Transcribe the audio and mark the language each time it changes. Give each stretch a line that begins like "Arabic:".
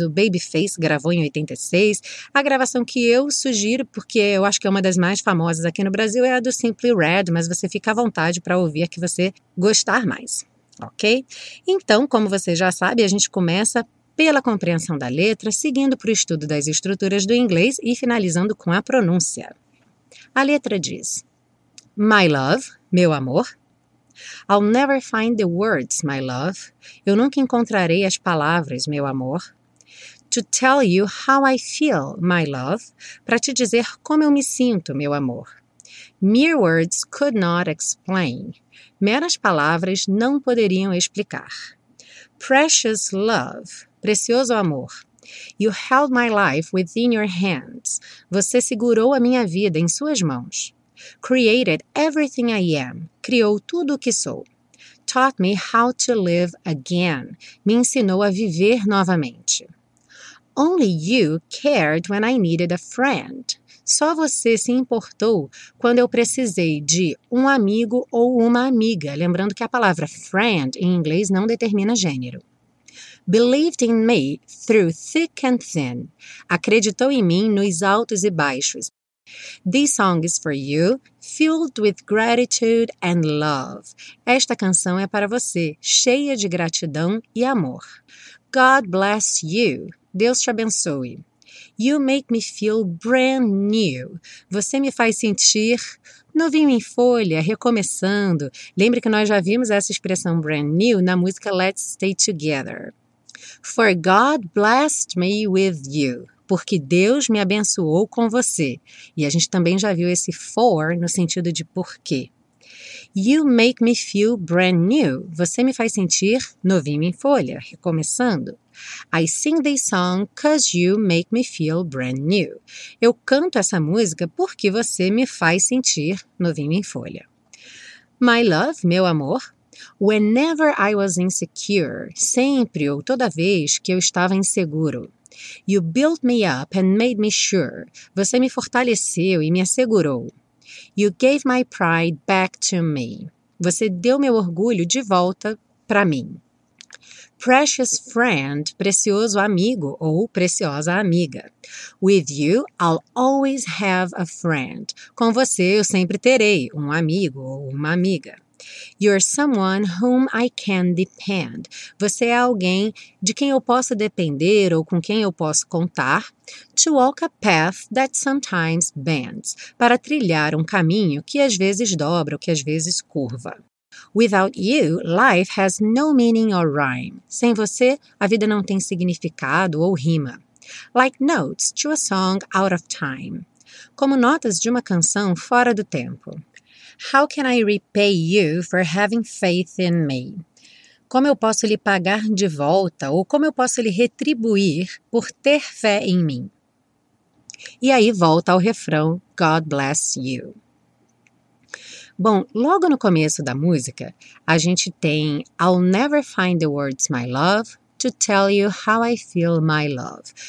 Portuguese: O Babyface gravou em 86. A gravação que eu sugiro, porque eu acho que é uma das mais famosas aqui no Brasil, é a do Simply Red, mas você fica à vontade para ouvir a que você gostar mais, ok? Então, como você já sabe, a gente começa pela compreensão da letra, seguindo para o estudo das estruturas do inglês e finalizando com a pronúncia. A letra diz:
English: My love,
Portuguese: meu amor.
English: I'll never find the words, my love.
Portuguese: Eu nunca encontrarei as palavras, meu amor.
English: To tell you how I feel, my love.
Portuguese: Para te dizer como eu me sinto, meu amor.
English: Mere words could not explain.
Portuguese: Meras palavras não poderiam explicar.
English: Precious love.
Portuguese: Precioso amor,
English: you held my life within your hands.
Portuguese: Você segurou a minha vida em suas mãos.
English: Created everything I am.
Portuguese: Criou tudo o que sou.
English: Taught me how to live again.
Portuguese: Me ensinou a viver novamente.
English: Only you cared when I needed a friend.
Portuguese: Só você se importou quando eu precisei de um amigo ou uma amiga. Lembrando que a palavra friend em inglês não determina gênero.
English: Believed in me through thick and thin.
Portuguese: Acreditou em mim nos altos e baixos.
English: This song is for you, filled with gratitude and love.
Portuguese: Esta canção é para você, cheia de gratidão e amor.
English: God bless you.
Portuguese: Deus te abençoe.
English: You make me feel brand new.
Portuguese: Você me faz sentir novinho em folha, recomeçando. Lembre que nós já vimos essa expressão brand new na música Let's Stay Together.
English: For God blessed me with you.
Portuguese: Porque Deus me abençoou com você. E a gente também já viu esse for no sentido de porquê.
English: You make me feel brand new.
Portuguese: Você me faz sentir novinho em folha, recomeçando.
English: I sing this song 'cause you make me feel brand new.
Portuguese: Eu canto essa música porque você me faz sentir novinho em folha.
English: My love,
Portuguese: meu amor.
English: Whenever I was insecure,
Portuguese: sempre ou toda vez que eu estava inseguro.
English: You built me up and made me sure.
Portuguese: Você me fortaleceu e me assegurou.
English: You gave my pride back to me.
Portuguese: Você deu meu orgulho de volta para mim.
English: Precious friend,
Portuguese: precioso amigo ou preciosa amiga.
English: With you, I'll always have a friend.
Portuguese: Com você, eu sempre terei um amigo ou uma amiga.
English: You're someone whom I can depend.
Portuguese: Você é alguém de quem eu posso depender ou com quem eu posso contar.
English: To walk a path that sometimes bends.
Portuguese: Para trilhar um caminho que às vezes dobra ou que às vezes curva.
English: Without you, life has no meaning or rhyme.
Portuguese: Sem você, a vida não tem significado ou rima.
English: Like notes to a song out of time.
Portuguese: Como notas de uma canção fora do tempo.
English: How can I repay you for having faith in me?
Portuguese: Como eu posso lhe pagar de volta ou como eu posso lhe retribuir por ter fé em mim? E aí volta ao refrão,
English: God bless you.
Portuguese: Bom, logo no começo da música, a gente tem
English: I'll never find the words, my love, to tell you how I feel, my love.